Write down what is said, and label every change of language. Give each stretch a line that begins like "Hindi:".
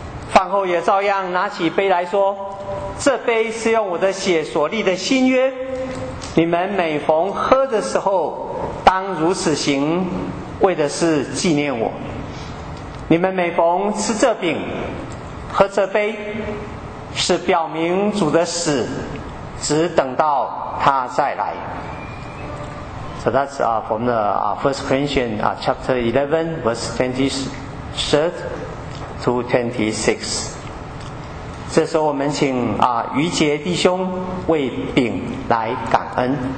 Chinese: 饭后也照样拿起杯来说，这杯是用我的血所立的新约，你们每逢喝的时候当如此行，为的是纪念我。你们每逢吃这饼喝这杯，是表明主的死只等到他再来。
English: So that's from the First Corinthians chapter 11 verse 23to 26.
Chinese: 这时候我们请余杰弟兄为饼来感恩。